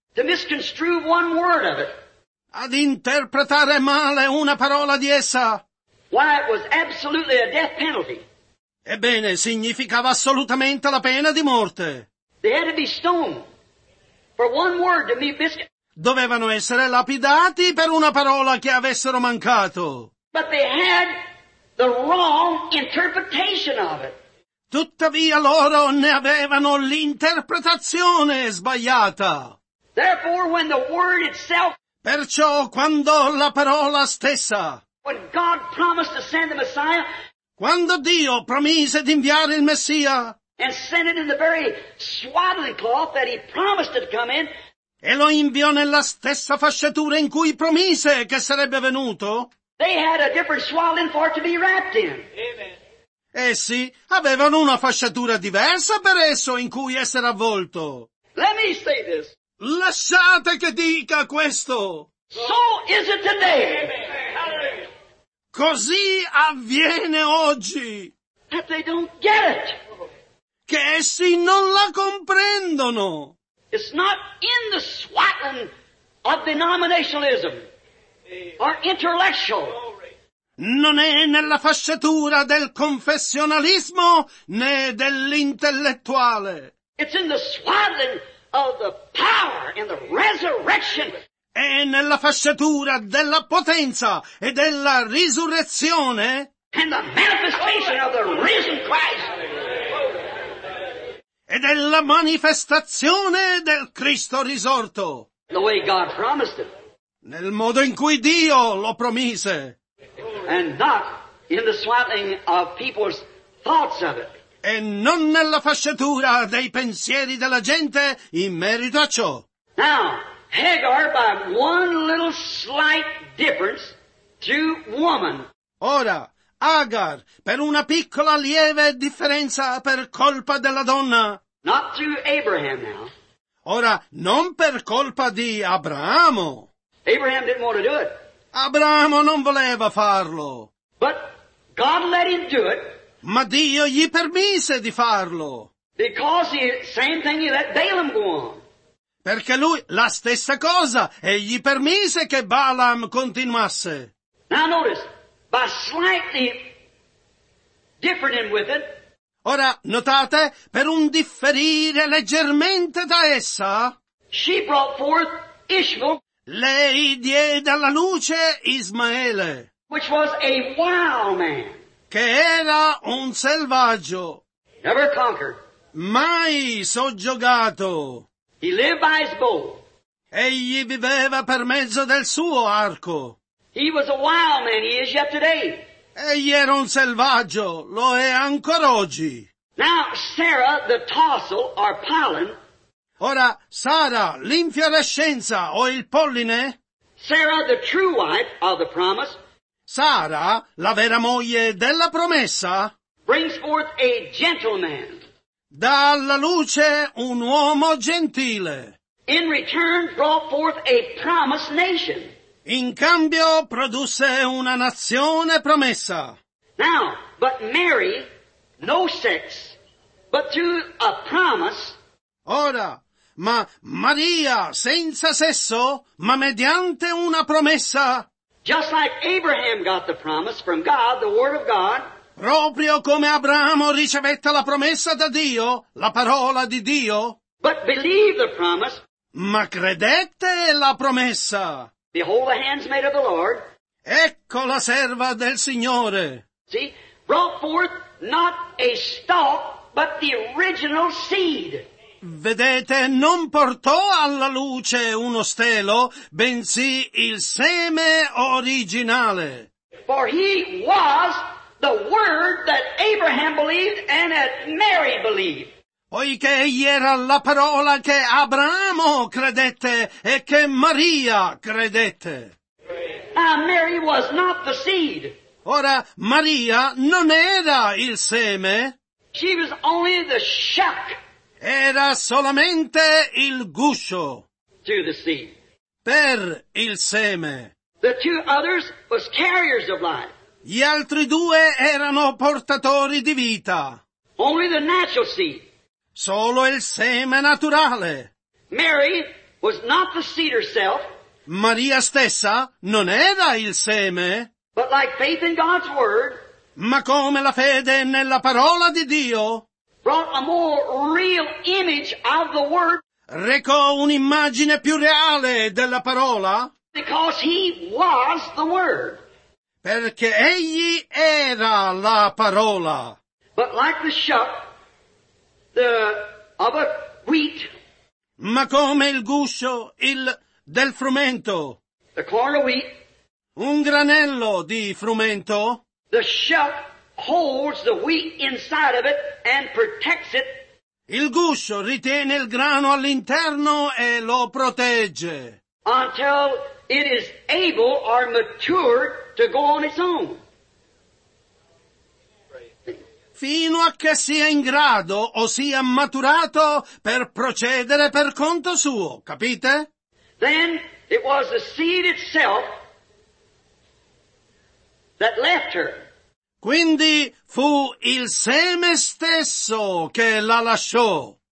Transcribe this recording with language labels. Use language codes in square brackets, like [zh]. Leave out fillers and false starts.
[en] To misconstrue one word of it. [it] Ad interpretare male una parola di essa. [en] Why, it was absolutely a death penalty. [it] Ebbene, significava assolutamente la pena di morte. [en] They had to be stoned for one word to be [it] dovevano essere lapidati per una parola che avessero mancato. [en] But they had the wrong interpretation of it. [it] Tuttavia loro ne avevano l'interpretazione sbagliata. [en] Therefore, when the word itself, [it] perciò quando la parola stessa, [en] when God promised to send the Messiah, [it] quando Dio promise di inviare il Messia, [en] and sent it in the very swaddling cloth that he promised it to come in, [it] e lo inviò nella stessa fasciatura in cui promise che sarebbe venuto, [en] they had a different swaddling for it to be wrapped in. Amen. [it] Essi avevano una fasciatura diversa per esso in cui essere avvolto. [en] Let me say this. [it] Lasciate che dica questo. [en] So is it today. [it] Così avviene oggi. [en] That they don't get it. [it] Che essi non la comprendono. [en] It's not in the swaddling of denominationalism or intellectual. [it] Non è nella fasciatura del confessionalismo né dell'intellettuale. [en] It's in the swaddling of the power and the resurrection. [it] È nella fasciatura della potenza e della risurrezione. [en] And the manifestation of the risen Christ. [it] E della manifestazione del Cristo risorto. [en] the way God promised it. [it] Nel modo in cui Dio lo promise. [en] And not in the swaddling of people's thoughts of it. [it] E non nella fasciatura dei pensieri della gente in merito a ciò. [en] Now, Hagar, by one little slight difference to woman. [it] Ora, Hagar, per una piccola lieve differenza per colpa della donna. [en] Not to Abraham now. [it] Ora, non per colpa di Abramo. [en] Abraham didn't want to do it. [it] Abramo non voleva farlo. [en] But God let him do it. [it] Ma Dio gli permise di farlo. [en] Because he, same thing he let Balaam go on. [it] Perché lui, la stessa cosa, egli permise che Balaam continuasse. [en] Now notice, by slightly differing with it. [it] Ora, notate, per un differire leggermente da essa. [en] She brought forth Ishmael. [it] Lei diede alla luce Ismaele. [en] Which was a wild man. [it] Che era un selvaggio. [en] Never conquered. [it] Mai soggiogato. [en] He lived by his bow. [it] Egli viveva per mezzo del suo arco. [en] He was a wild man, he is yet today. [it] Egli era un selvaggio, lo è ancora oggi. [en] Now, Sarah, the tassel, or pollen. [it] Ora, Sara, l'infiorescenza o il polline. [en] Sarah, the true wife of the promise. [it] Sara, la vera moglie della promessa, [en] brings forth a gentleman. [it] Dà alla luce un uomo gentile. [en] In return, brought forth a promised nation. [it] In cambio, produsse una nazione promessa. [en] Now, but Mary, no sex, but to a promise. [it] Ora, ma Maria, senza sesso, ma mediante una promessa. [en] Just like Abraham got the promise from God, the word of God. [it] Proprio come Abramo ricevette la promessa da Dio, la parola di Dio. [en] But believe the promise. [it] Ma credette la promessa. [en] Behold the handmaid of the Lord. [it] Ecco la serva del Signore. [en] See, brought forth not a stalk, but the original seed. [it] Vedete, non portò alla luce uno stelo, bensì il seme originale. [en] For he was the word that Abraham believed and that Mary believed. [it] Poiché egli era la parola che Abramo credette e che Maria credette. [en] Mary was not the seed. [it] Ora, Maria non era il seme. [en] She was only the shuck. [it] Era solamente il guscio [en] to the seed. [it] Per il seme. [en] The two others was carriers of life. [it] Gli altri due erano portatori di vita. [en] Only the natural seed. [it] Solo il seme naturale. [en] Mary was not the seed herself. [it] Maria stessa non era il seme. [en] But like faith in God's word. [it] Ma come la fede nella parola di Dio. [en] Brought a more real image of the word. [it] Recò un'immagine più reale della parola. [en] Because he was the word. [it] Perché egli era la parola. [en] But like the shuck, the of a wheat. [it] Ma come il guscio, il del frumento. [en] The corn of wheat. [it] Un granello di frumento. [en] The shuck. Holds the wheat inside of it and protects it. [it] Il guscio ritiene il grano all'interno e lo protegge. [en] Until it is able or mature to go on its own. [it] Fino a che sia in grado o sia maturato per procedere per conto suo, capite? [en] Then it was the seed itself that left her. [it] Quindi fu il seme stesso che la lasciò.